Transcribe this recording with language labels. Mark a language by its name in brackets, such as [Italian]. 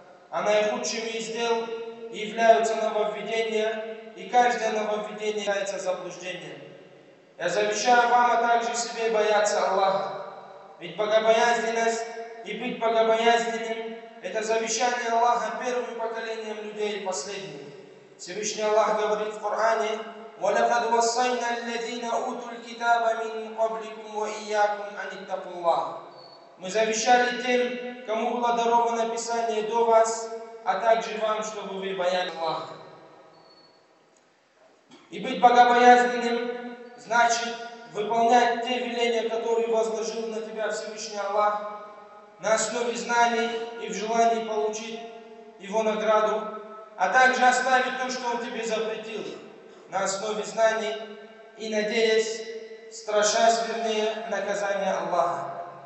[Russian] А наихудшими из дел являются нововведения, и каждое нововведение является заблуждением. Я завещаю вам, а также себе бояться Аллаха. Ведь богобоязненность и быть богобоязненным – это завещание Аллаха первым поколением людей и последним. Всевышний Аллах говорит в Коране: [Arabic] وَلَقَدْ وَصَّيْنَا الَّذِينَ أُوتُوا الْكِتَابَ مِنْ قَبْلِكُمْ وَإِيَّاكُمْ أَنِ اتَّقُوا اللَّهَ. [Russian] Мы завещали тем, кому было даровано Писание до вас, а также вам, чтобы вы боялись Аллаха. И быть богобоязненным значит выполнять те веления, которые возложил на тебя Всевышний Аллах, на основе знаний и в желании получить Его награду, а также оставить то, что Он тебе запретил, на основе знаний и надеясь, страшась вернее наказания Аллаха.